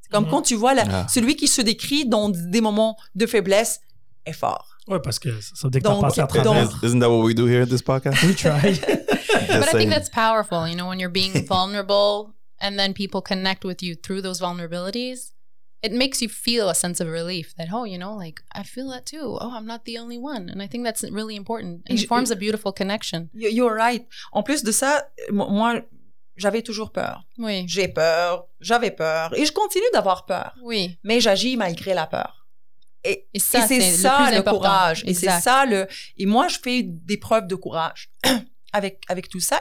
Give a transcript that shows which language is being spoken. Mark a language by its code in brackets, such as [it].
[fr] C'est comme quand tu vois celui qui se décrit dans des moments de faiblesse est fort. Oui, parce que ça veut dire que tu as passé à travers. [en] Isn't that what we do here at this podcast? We try. But I think that's powerful, you know, when you're being vulnerable. And then people connect with you through those vulnerabilities, it makes you feel a sense of relief that, oh, you know, like, I feel that too. Oh, I'm not the only one. And I think that's really important. And it forms a beautiful connection. You're right. [fr] En plus de ça, moi, j'avais toujours peur. Oui. J'ai peur, j'avais peur, et je continue d'avoir peur. Oui. Mais j'agis malgré la peur. Et ça, et c'est ça le courage. Exact. Et c'est ça le... Et moi, je fais des preuves de courage avec tout ça.